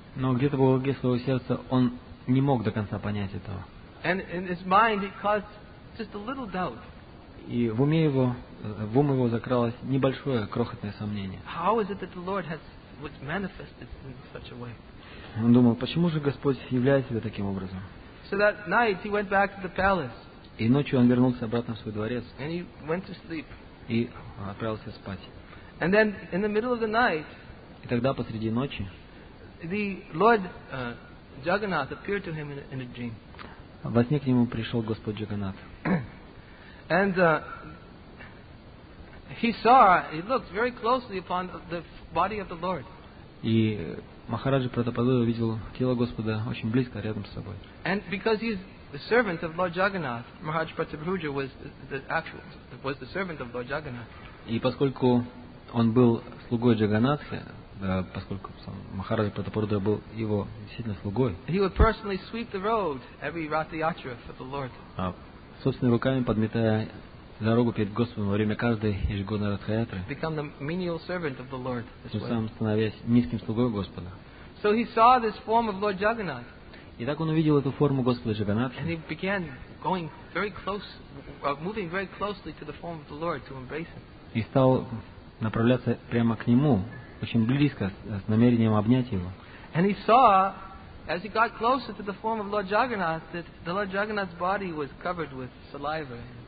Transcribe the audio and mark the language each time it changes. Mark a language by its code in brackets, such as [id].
[ru] Но где-то в глубине своего сердца он не мог до конца понять этого. [en] And in his mind it caused just a little doubt. [ru] И в ум его закралось небольшое крохотное сомнение. [en] How is it that the Lord was manifested in such a way? [ru] Он думал, почему же Господь являет себя таким образом? [en] So that night he went back to the palace. [ru] И ночью он вернулся обратно в свой дворец. [en] And he went to sleep. [ru] И отправился спать. [en] And then in the middle of the night, [ru] и тогда посреди ночи, [en] the Lord Jagannath appeared to him in a dream. [ru] Во сне к нему пришел Господь Джаганнат. [en] And he looked very closely upon the body of the Lord. [ru] И Махараджа Пратападуя увидел тело Господа очень близко, рядом с собой. [en] And because he's the servant of Lord Jagannath, Maharaj Pratapadruja was the servant of Lord Jagannath. [ru] И поскольку он был слугой Джаганатхи, да, поскольку Махараджа Пратападуя был его действительно слугой, [en] he would personally sweep the road every Ratha Yatra for the Lord. [ru] Собственными руками подметая дорогу перед Господом во время каждой ежегодной Ратхаятры, [en] become the menial servant of the Lord, [ru] тем самым становясь низким слугой Господа. [en] So he saw this form of Lord Jagannath. [ru] И так он увидел эту форму Господа Джаганнатхи. [en] And he began going very close, moving very closely to the form of the Lord to embrace him. [ru] И стал направляться прямо к нему, очень близко, с намерением обнять его. [en] And he saw, as he got closer to the form of Lord Jagannath, that the Lord Jagannath's body was covered with saliva.